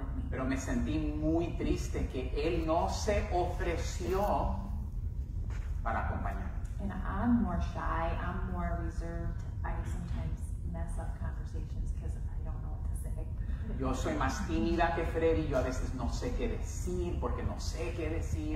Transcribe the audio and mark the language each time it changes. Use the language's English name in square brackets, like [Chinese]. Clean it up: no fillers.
[Spanish] Pero me sentí muy triste que él no se ofreció para acompañarme. [English] And I'm more shy, I'm more reserved. I sometimes mess up conversations because I don't know what to say. [Spanish] Yo soy más tímida que Freddy. Yo a veces no sé qué decir porque no sé qué decir.